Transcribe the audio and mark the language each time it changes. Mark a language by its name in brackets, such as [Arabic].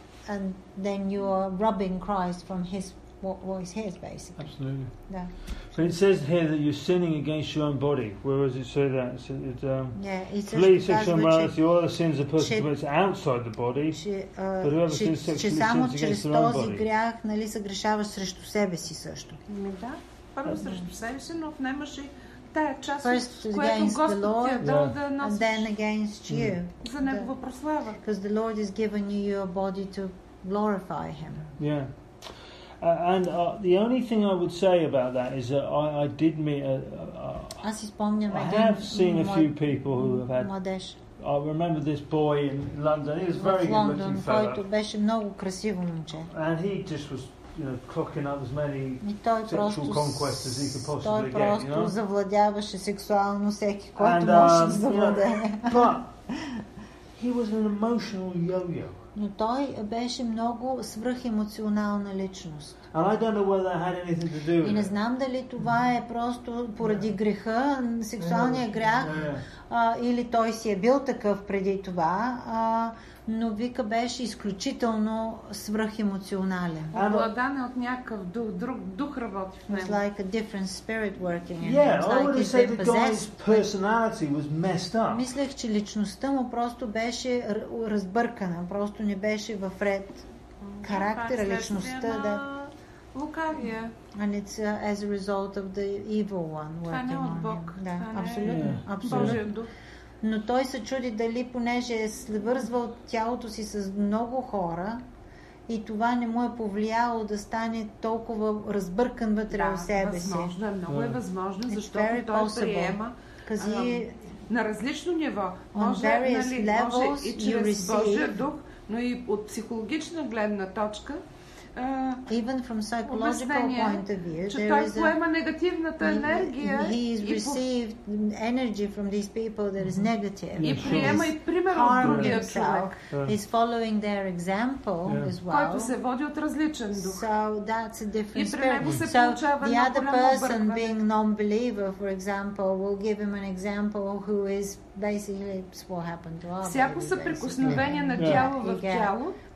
[English] and then you are rubbing Christ from his what is his, basically. Absolutely. Yeah. But it says here that you're sinning against your own body. Where does it say that? It's flee sexual immorality. All the sins are person commits outside the body. But whoever sins sexually sins against their own body. [Bulgarian] Само чрез този грях, нали, съгрешаваш срещу себе си също. [English] First against the Lord, and then against you. [Bulgarian] За негова прослава. [English] Because the Lord has given you your body to glorify Him. Yeah. And the only thing I would say about that is that I did meet a few people who have had [Bulgarian] младеж. [English] I remember this boy in London. He was very good looking fellow. [Bulgarian] Който беше много красиво момче. [English] And he just was, you know, clocking up as many sexual conquests as he could possibly get, you know. [Bulgarian] Завладяваше сексуално всеки, който можеше да завладее. [English] But he was an emotional yo-yo. [Bulgarian] Но той беше много свръхемоционална личност. [English] I don't know whether that had anything to do with [Bulgarian] и не знам дали това е просто поради греха, сексуалния грях, или той си е бил такъв преди това, но вика беше изключително свръхемоционален. Обладан от някакъв дух, друг дух работи в него. [English] It's like a different spirit working in him. Yeah, I would have said the guy's personality was messed up. [Bulgarian] Мислех, че личността му просто беше разбъркана, просто не беше в ред характера, личността, да. Лукавия. [English] And it's as a result of the evil one working on him. [Bulgarian] Това не от Бог. Да, абсолютно. Но той се чуди дали, понеже е свързвал тялото си с много хора и това не му е повлияло да стане толкова разбъркан вътре в себе си. Да, много е възможно, защото той приема на различно ниво. Може, нали, и чрез Божия дух, но и от психологична гледна точка. [English] Even from psychological point of view, [Bulgarian] че той поема негативната енергия. [English] He has received energy from these people that is negative. [Bulgarian] И приема и пример от другия човек. [English] He's following their example as well. [Bulgarian] Който се води от различен дух. [English] So that's a different [Bulgarian] spirit. И при него се получава [English] the other person being non-believer, for example, will give him an example who is basically what happened to us. [Bulgarian] Всяко съприкосновение на тяло в тяло.